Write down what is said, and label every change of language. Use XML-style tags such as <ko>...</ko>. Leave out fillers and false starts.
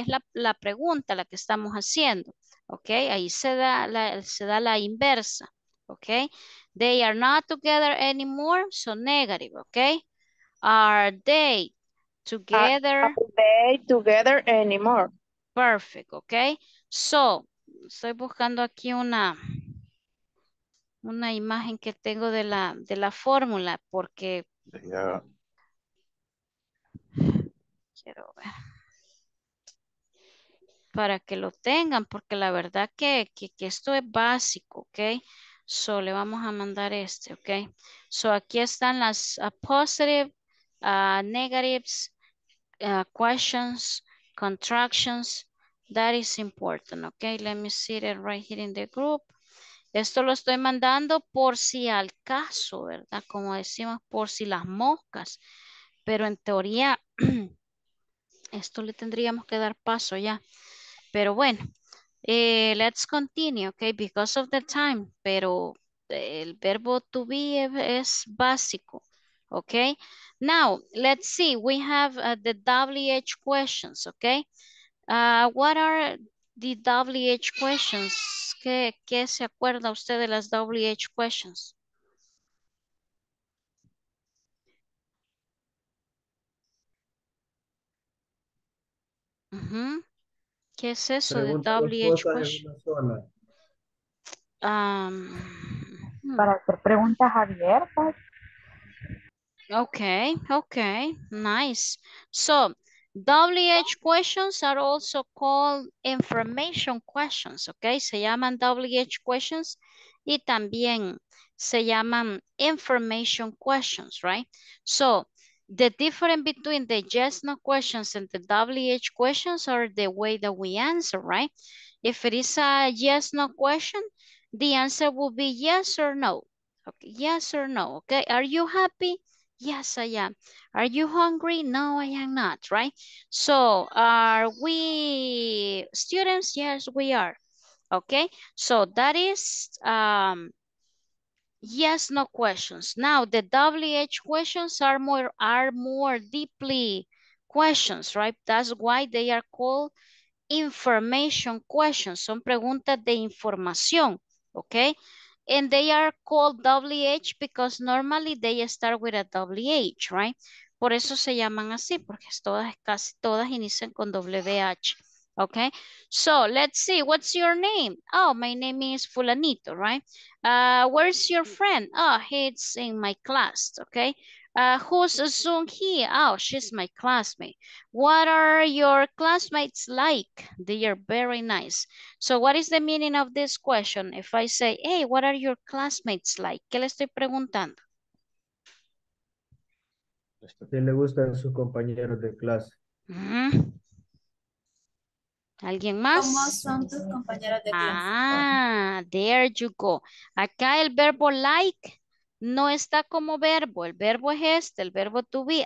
<es>Es la pregunta la que estamos haciendo, okay? Ahí se da la inversa, okay?</es> <en>They are not together anymore, so negative, okay? Are they together. Are they together anymore? Perfect, okay.</en> <es>So, estoy buscando aquí una imagen que tengo de la fórmula, porque...</es> <en>Yeah.</en> <es>Quiero ver. Para que lo tengan, porque la verdad que esto es básico, okay. So, le vamos a mandar este, okay. So, aquí están las</es> <en>positive, negatives, questions, contractions. That is important, okay. Let me see it right here in the group.</en> <es>Esto lo estoy mandando por si al caso, ¿verdad? Como decimos, por si las moscas. Pero en teoría, esto le tendríamos que dar paso ya. Pero bueno,</es> <en>let's continue, okay, because of the time.</en> <es>Pero el verbo to be es básico, okay.</es> <en>Now, let's see, we have the WH questions, okay. What are the WH questions?</en> <es>¿Qué se acuerda usted de las WH questions? Mm-hmm. ¿Qué es eso de WH questions? Para hacer preguntas abiertas.</es> <en>Okay, nice. So, WH questions are also called information questions, okay?</en> <es>Se llaman WH questions y también se llaman information questions, right?</es> <en>So, the difference between the yes, no questions and the WH questions are the way that we answer, right? If it is a yes, no question, the answer will be yes or no. Okay, yes or no, okay? Are you happy? Yes, I am. Are you hungry? No, I am not, right? So, are we students? Yes, we are. Okay, so that is yes, no questions. Now, the WH questions are more deeply questions, right? That's why they are called information questions.</en> <es>Son preguntas de información,</es> <en>okay? And they are called WH because normally they start with a WH, right?</en> <es>Por eso se llaman así, porque casi todas inician con WH, okay?</es> <en>So let's see, what's your name? Oh, my name is Fulanito, right? Where's your friend? Oh, he's in my class, okay? Who's Zoom here? Oh, she's my classmate. What are your classmates like? They are very nice. So what is the meaning of this question? If I say, hey, what are your classmates like?</en> <es>¿Qué le estoy preguntando? ¿A quién le gustan sus compañeros de clase? Mm-hmm. ¿Alguien más? ¿Cómo son tus compañeros de clase? Ah,</es> <en>there you go.</en> <es>Acá el verbo like... No está como verbo, el verbo es este, el verbo to be.</es>